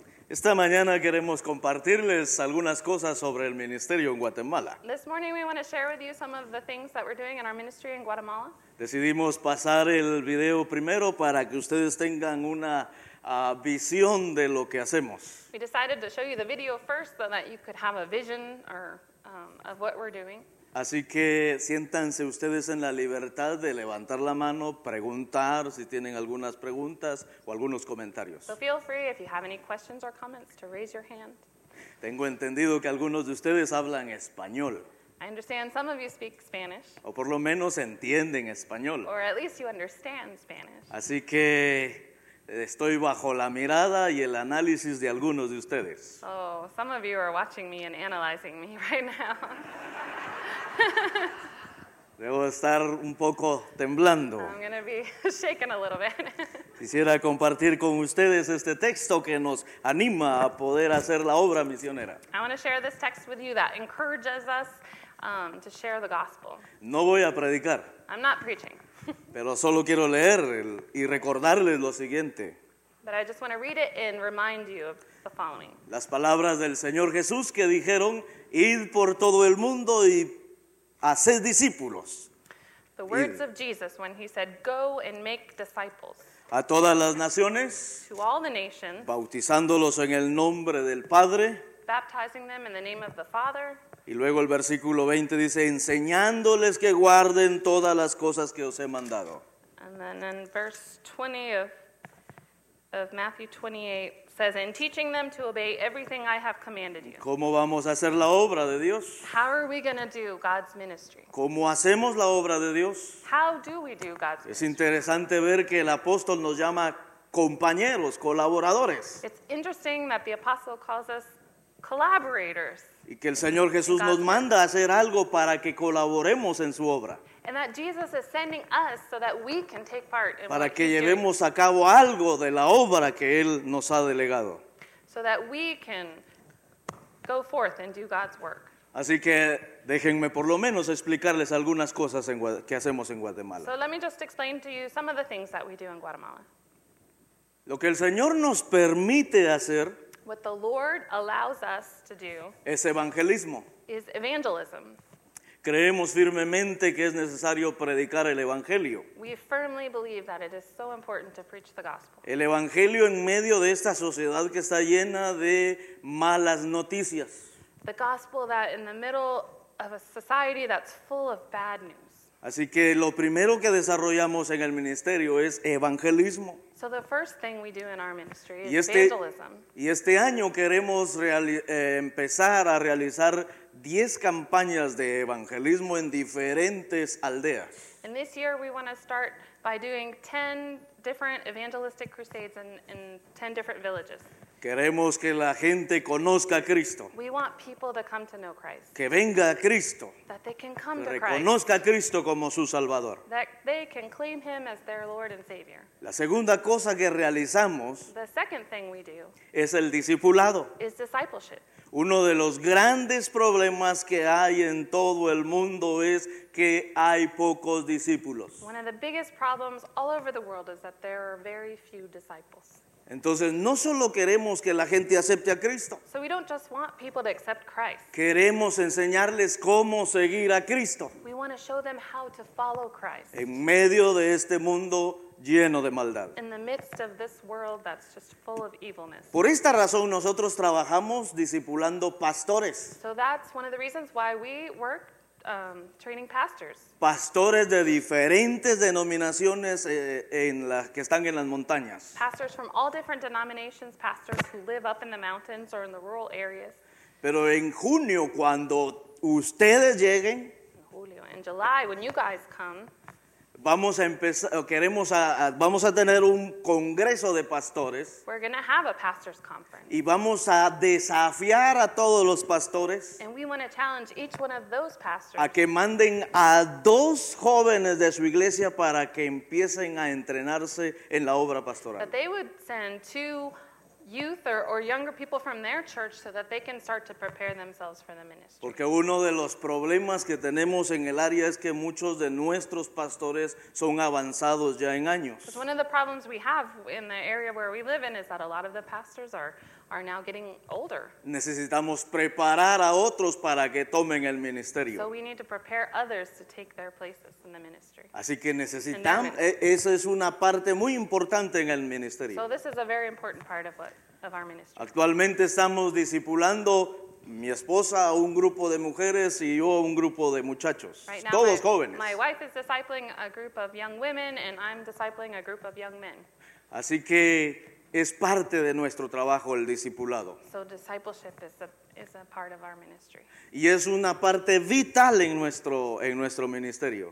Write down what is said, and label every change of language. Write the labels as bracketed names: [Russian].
[Spanish] Esta mañana queremos compartirles algunas cosas sobre el ministerio en Guatemala. [English] This morning we want to share with you some of the things that we're doing in our ministry in Guatemala. [Spanish] Decidimos pasar el video primero para que ustedes tengan una visión de lo que hacemos. [English] We decided to show you the video first so that you could have a vision of what we're doing. [Spanish] Así que siéntanse ustedes en la libertad de levantar la mano, preguntar si tienen algunas preguntas o algunos comentarios. [English] So feel free if you have any questions or comments to raise your hand. [Spanish] Tengo entendido que algunos de ustedes hablan español. [English] I understand some of you speak Spanish. [Spanish] O por lo menos entienden español. [English] Or at least you understand Spanish. [Spanish] Así que estoy bajo la mirada y el análisis de algunos de ustedes. [English] Oh, some of you are watching me and analyzing me right now. [Spanish] Debo estar un poco temblando. [English] I'm going to be shaking a little bit. [Spanish] Quisiera compartir con ustedes este texto que nos anima a poder hacer la obra misionera. [English] I want to share this text with you that encourages us to share the gospel. [Spanish] No voy a predicar. [English] I'm not preaching. [Spanish] Pero solo quiero leer y recordarles lo siguiente. [English] But I just want to read it and remind you of the following. [Spanish] Las palabras del Señor Jesús que dijeron, id por todo el mundo y haced discípulos. [English] The words of Jesus when he said, go and make disciples. [Spanish] A todas las naciones. [English] To all the nations. [Spanish] Bautizándolos en el nombre del Padre. [English] Baptizing them in the name of the Father. [Spanish] Y luego el versículo 20 dice, enseñándoles que guarden todas las cosas que os he mandado. [English] And then in verse 20 of Matthew 28 says, and teaching them to obey everything I have commanded you. [Spanish] ¿Cómo vamos a hacer la obra de Dios? [English] How are we going to do God's ministry? [Spanish] ¿Cómo hacemos la obra de Dios? [English] How do we do God's ministry? [Spanish] Es interesante ver que el apóstol nos llama compañeros, colaboradores. [English] It's interesting that the apostle calls us collaborators. [Spanish] Y que el Señor Jesús nos manda a hacer algo para que colaboremos en su obra. [English] And that Jesus is sending us so that we can take part in [Spanish] para que llevemos a cabo algo de la obra que Él nos ha delegado. [English] So that we can go forth and do God's work. [Spanish] Así que déjenme por lo menos explicarles algunas cosas que hacemos en Guatemala. [English] So let me just explain to you some of the things that we do in Guatemala. [Spanish] Lo que el Señor nos permite hacer. [English] What the Lord allows us to do [Spanish] es evangelismo. [English] Is evangelism. [Spanish] Creemos firmemente que es necesario predicar el evangelio. [English] We firmly believe that it is so important to preach the gospel. [Spanish] El evangelio en medio de esta sociedad que está llena de malas noticias. [English] The gospel that in the middle of a society that's full of bad news. [Spanish] Así que lo primero que desarrollamos en el ministerio es evangelismo. [English] So the first thing we do in our ministry is evangelism. [Spanish] Y este año queremos empezar a realizar 10 campañas de evangelismo en diferentes aldeas. [English] And this year we want to start by doing 10 different evangelistic crusades in 10 different villages. [Spanish] Queremos que la gente conozca a Cristo. [English] We want people to come to know Christ. [Spanish] Que venga a Cristo. [English] That they can come to Christ. [Spanish] Reconozca a Cristo como su Salvador. [English] That they can claim him as their Lord and Savior. [Spanish] La segunda cosa que realizamos. [English] The second thing we do. [Spanish] Es el discipulado. [English] Is discipleship. [Spanish] Uno de los grandes problemas que hay en todo el mundo es que hay pocos discípulos. [English] One of the biggest problems all over the world is that there are very few disciples. [Spanish] Entonces, no solo queremos que la gente acepte a Cristo. [English] So we don't just want people to accept Christ. [Spanish] Queremos enseñarles cómo seguir a Cristo. [English] We want to show them how to follow Christ. [Spanish] En medio de este mundo lleno de maldad. [English] In the midst of this world that's just full of evilness. [Spanish] Por esta razón nosotros trabajamos discipulando pastores. [English] So that's one of the reasons why we work training pastors. [Spanish] Pastores de diferentes denominaciones en las que están en las montañas. [English] Pastors from all different denominations, pastors who live up in the mountains or in the rural areas. [Spanish] Pero en junio cuando ustedes lleguen, [English] in July when you guys come, [Spanish] vamos a empezar, vamos a tener un congreso de pastores. [English] We're going to have a pastor's conference. [Spanish] Y vamos a desafiar a todos los pastores. [English] And we want to challenge each one of those pastors. [Spanish] A que manden a dos jóvenes de su iglesia para que empiecen a entrenarse en la obra pastoral. [English] That they would send two youth or younger people from their church so that they can start to prepare themselves for the ministry. [Spanish] Porque uno de los problemas que tenemos en el área es que muchos de nuestros pastores son avanzados ya en años. [English] Because one of the problems we have in the area where we live in is that a lot of the pastors are now getting older. [Spanish] Necesitamos preparar a otros para que tomen el ministerio. [English] So we need to prepare others to take their places in the ministry. [Spanish] Así que necesitamos, esa es una parte muy importante en el ministerio. [English] So this is a very important part of our ministry. [Spanish] Actualmente estamos discipulando mi esposa a un grupo de mujeres y yo a un grupo de muchachos. [English] Right now, [Spanish] todos jóvenes. [English] My wife is discipling a group of young women and I'm discipling a group of young men. [Spanish] Así que es parte de nuestro trabajo el discipulado. [English] So discipleship is a part of our ministry. [Spanish] Y es una parte vital en nuestro ministerio.